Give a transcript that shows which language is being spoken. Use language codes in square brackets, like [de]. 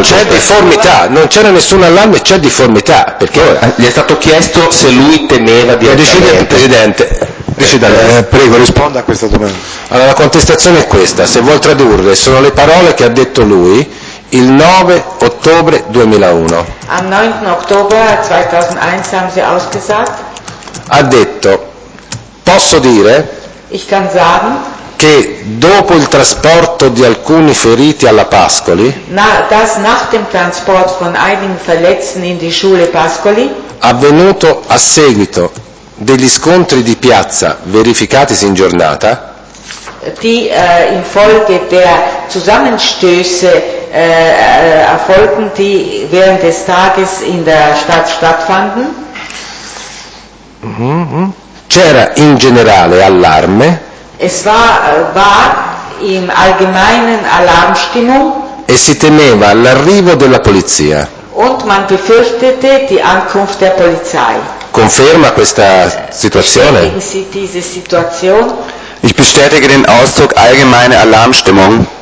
[it] c'è difformità, non c'era nessun allarme, c'è difformità, perché gli è stato chiesto se lui temeva di decidere. Presidente, prego, risponda a questa domanda. Allora, la contestazione è questa, se vuol tradurre, sono le parole che ha detto lui il 9 ottobre 2001. [de] Am 9. Oktober 2001 haben sie ausgesagt. [it] Ha detto, posso dire, [de] ich kann sagen, [it] che dopo il trasporto di alcuni feriti alla Pascoli, [de] das nach dem Transport von einigen Verletzten in die Schule Pascoli, [it] avvenuto a seguito degli scontri di piazza verificatisi in giornata, [de] infolge der Zusammenstöße erfolgten, die während des Tages in der Stadt stattfanden, [it] c'era in generale allarme. [de] Es war im allgemeinen Alarmstimmung. [it] E si temeva l'arrivo della polizia. [de] Und man befürchtete die Ankunft der Polizei. [it] Conferma questa situazione? [de] Bestätigen Sie diese Situation? Ich bestätige den Ausdruck allgemeine Alarmstimmung.